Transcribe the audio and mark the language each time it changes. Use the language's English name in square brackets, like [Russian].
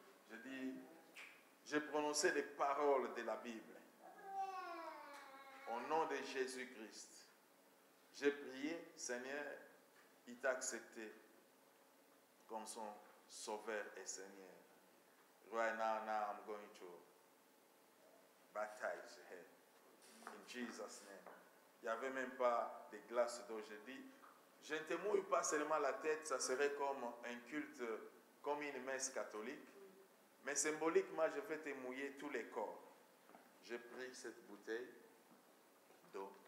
[French] Je dis, j'ai prononcé les paroles de la Bible. Au nom de Jésus-Christ, j'ai prié, Seigneur, il t'a accepté comme son sauveur et Seigneur. [English] Right now, I'm going to baptize her. In Jesus' name. [French] Il n'y avait même pas de glace d'eau. J'ai dit, je ne te mouille pas seulement la tête, ça serait comme un culte, comme une messe catholique. Mais symboliquement, je vais te mouiller tous les corps. J'ai pris cette bouteille d'eau.